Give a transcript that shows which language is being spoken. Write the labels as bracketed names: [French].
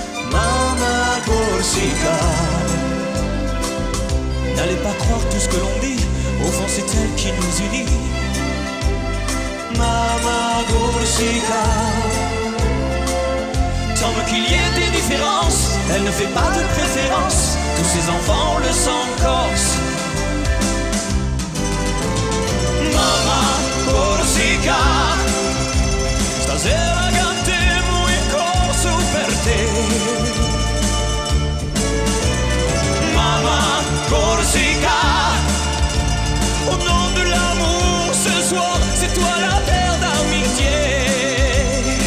[French] Mama Corsica, n'allez pas croire tout ce que l'on dit, au fond c'est elle qui nous unit. Mama Corsica, semble qu'il y ait des différences, elle ne fait pas de préférence, tous ses enfants le sont corse. [Italian] Mama Corsica, stasera cantiamo il corso per te. [French] Mama Corsica, au nom de l'amour, ce soir c'est toi la terre d'amitié.